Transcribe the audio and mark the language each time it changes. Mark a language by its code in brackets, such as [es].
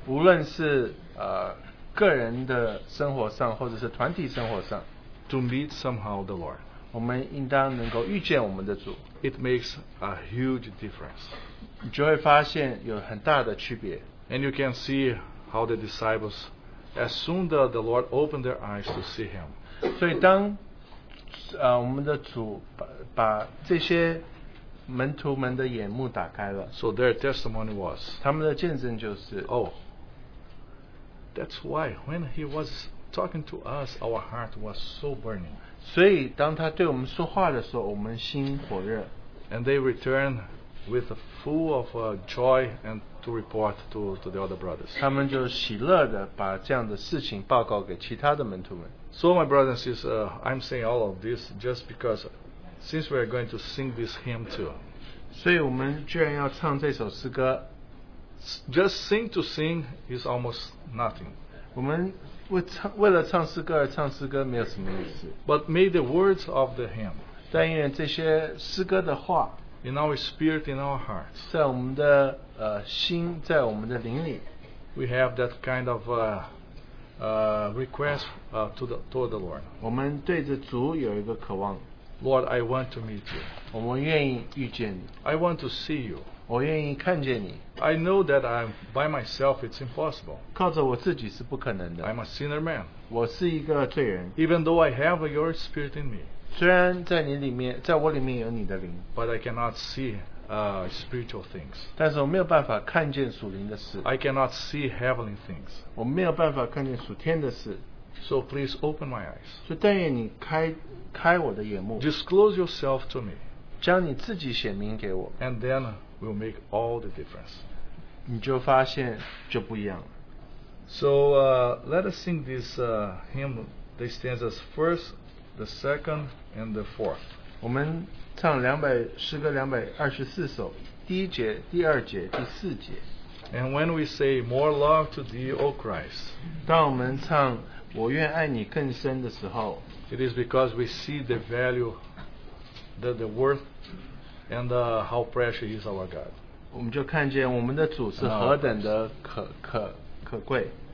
[zh] 无论是个人的生活上或者是团体生活上 [en] to meet somehow the Lord [zh] 我们应当能够遇见我们的主 [en] it makes a huge difference [zh] 你就会发现有很大的区别 [en] and you can see how the disciples as soon as the Lord opened their eyes to see him [zh] 所以当我们的主 把这些门徒们的眼目打开了 [en] so their testimony was [zh] 他们的见证就是 [en] oh that's why when he was talking to us our heart was so burning [zh] 所以当他对我们说话的时候我们心火热 [en] and they returned with a full of joy and to report to the other brothers [zh] 他们就喜乐地把这样的事情报告给其他的门徒们 [en] so my brothers and sisters I'm saying all of this just becauseSince we are going to sing this hymn too. [zh] 所以我们居然要唱这首诗歌。 [en] Just sing to sing is almost nothing. [zh] 我们为了唱诗歌而唱诗歌没有什么意思。 [en] But may the words of the hymn. [zh] 但愿这些诗歌的话。 [en] In our spirit, in our heart. [zh] 在我们的心在我们的灵里。 [en] We have that kind of request toward the Lord. [zh] 我们对着主有一个渴望。 [en] Lord, I want to meet you. [zh] 我们愿意遇见你。 [en] I want to see you. [zh] 我愿意看见你。 [en] I know that I'm by myself, it's impossible. [zh] 靠着我自己是不可能的。 [en] I'm a sinner man. [zh] 我是一个罪人。 [en] Even though I have your spirit in me. [zh] 虽然在你里面，在我里面有你的灵。 [en] But I cannot see spiritual things. [zh] 但是我没有办法看见属灵的事。 [en] I cannot see heavenly things. [zh] 我没有办法看见属天的事。 [en] So please open my eyes. [zh] 所以但愿你开我的眼目。 [en] Disclose yourself to me. [zh] 将你自己显明给我。 [en] And then we'll make all the difference. [zh] 你就发现就不一样了。 [en] So let us sing this hymn. The stanzas first, the second, and the fourth. [zh] 我们唱诗歌224首，第一节、第二节、第四节。 [en] And when we say more love to thee, O Christ. [zh] 当我们唱我愿爱你更深的时候。 [en] It is because we see the value, the worth, and how precious is our God. [zh] 我们就看见我们的主是何等的可贵。